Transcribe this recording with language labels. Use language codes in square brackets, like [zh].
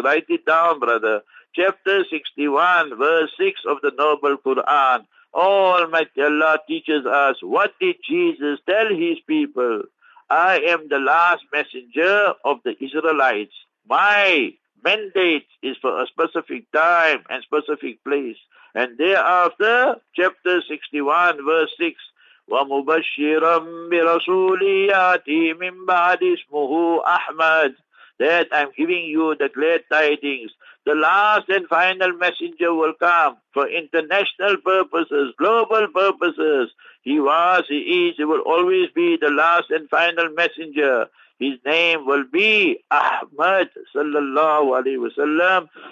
[en] Write it down, brother. Chapter 61, verse 6 of the Noble Quran. Almighty Allah teaches us, what did Jesus tell his people? I am the last messenger of the Israelites. My mandate is for a specific time and specific place. And thereafter, chapter 61, verse 6, [ar] وَمُبَشِّرًا بِرَسُولِيَاتِ مِنْ بَعْدِ اسْمُهُ أَحْمَدٍ. [en] That I'm giving you the glad tidings. The last and final messenger will come for international purposes, global purposes. He was, he is, he will always be the last and final messenger. His name will be Ahmad sallallahu alayhi wa sallam.